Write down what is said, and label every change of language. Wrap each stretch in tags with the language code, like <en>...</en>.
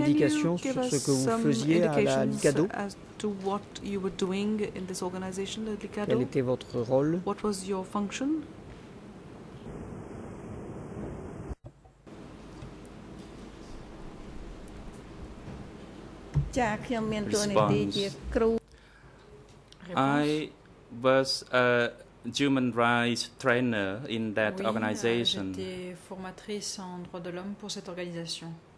<fr>indications sur ce que vous faisiez à la Likado?</fr> <en>To what you were doing in this organization, at Likado?</en> <fr>Quel était votre rôle?</fr> <en>What was your function? Response. I was a human rights trainer in that organization.</en> <fr>J'étais formatrice en droit de l'homme pour cette organisation.</fr>